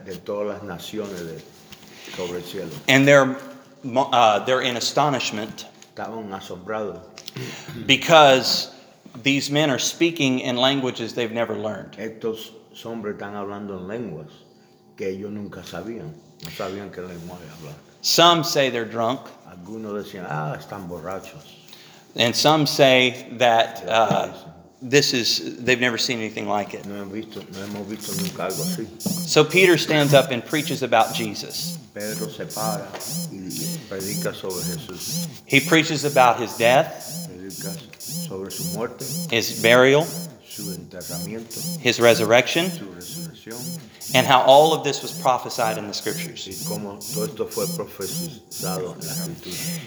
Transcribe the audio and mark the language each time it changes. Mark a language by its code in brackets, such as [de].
[es] De todas las naciones de, sobre el cielo. [en] And they're in astonishment. [es] Estaban asombrados. [en] Because these men are speaking in languages they've never learned. [es] Estos hombres están hablando en lenguas que ellos nunca sabían. No sabían qué lenguaje hablar. [en] Some say they're drunk. [es] Algunos decían, ah, están borrachos. [en] And some say that they've never seen anything like it. [es] No hemos visto nunca algo así. [en] So Peter stands up and preaches about Jesus. [es] Pedro se para y predica sobre Jesús. [en] He preaches about his death, [es] sobre su muerte, [en] his burial, [es] su enterramiento, [en] his resurrection, [es] su resurrección, [en] and how all of this was prophesied in the scriptures. [es] Y como todo esto fue profetizado en la escritura.